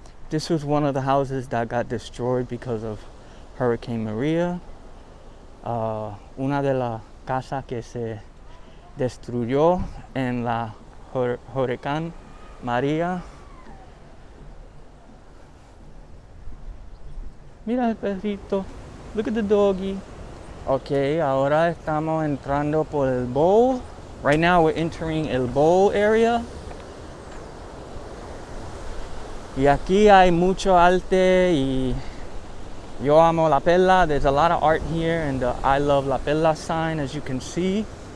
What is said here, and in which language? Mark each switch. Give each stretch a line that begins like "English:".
English: This was one of the houses that got destroyed because of Hurricane Maria.
Spanish: Una de las casas que se destruyó en la Huracán María. Mira el perrito.
English: Look at the doggy.
Spanish: Okay, ahora estamos entrando por el bowl.
English: Right now we're entering el bowl area.
Spanish: Y aquí hay mucho arte y yo amo la pela.
English: There's a lot of art here and the I love la pela sign, as you can see.